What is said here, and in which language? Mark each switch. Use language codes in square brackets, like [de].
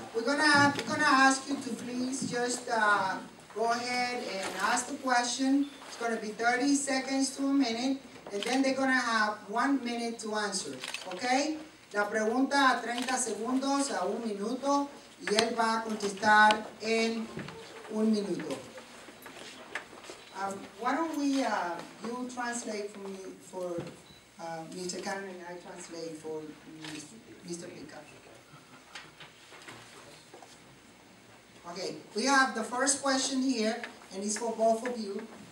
[en] we're gonna ask you to please just go ahead and ask the question. It's going to be 30 seconds to a minute. And then they're going to have 1 minute to answer, okay? [es] La pregunta a 30 segundos, a un minuto, y él va a contestar en un minuto. [en] Why don't we, you translate for me, for Mr. Cannon, and I translate for Mr. Pickard. Okay, we have the first question here, and it's for both of you.